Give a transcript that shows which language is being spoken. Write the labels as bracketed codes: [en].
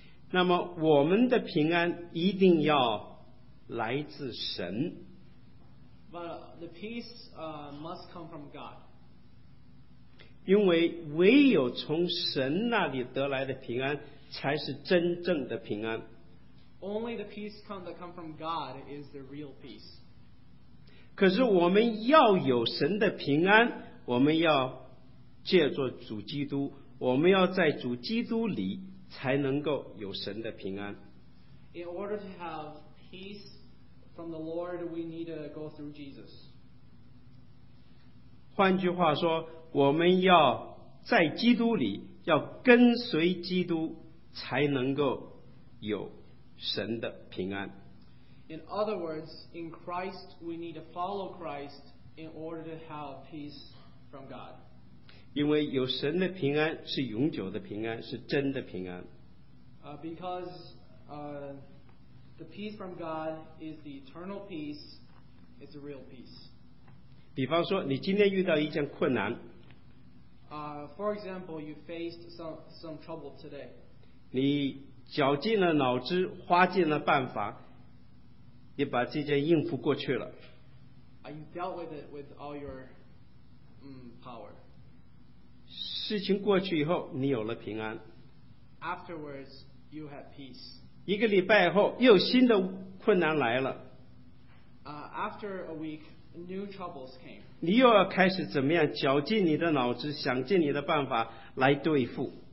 [zh] 那么我们的平安一定要来自神。 [en] But the peace must come from God. [zh] 因为唯有从神那里得来的平安才是真正的平安。 [en] Only the peace that comes from God is the real peace. [zh] 可是我们要有神的平安，我们要借着主基督，我们要在主基督里才能够有神的平安。 [en] In order to have peace from the Lord, we need to go through Jesus. [zh] 换句话说，我们要在基督里，要跟随基督，才能够有神的平安。 [en] In other words, in Christ, we need to follow Christ in order to have peace from God. [zh] 因为有神的平安是永久的平安，是真的平安。 [en] Because the peace from God is the eternal peace, it's a real peace. [zh] 比方说，你今天遇到一件困难。 [en] For example, you faced some trouble today. [zh] 你绞尽了脑汁，花尽了办法，也把这件应付过去了。 [en] You dealt with it with all your power. [zh] 事情过去以后，你有了平安。 [en] Afterwards, you have peace. [zh] 一个礼拜以后，又有新的困难来了。 [en] After a week, new troubles came. [zh] 你又要开始怎么样，绞尽你的脑汁，想尽你的办法来对付。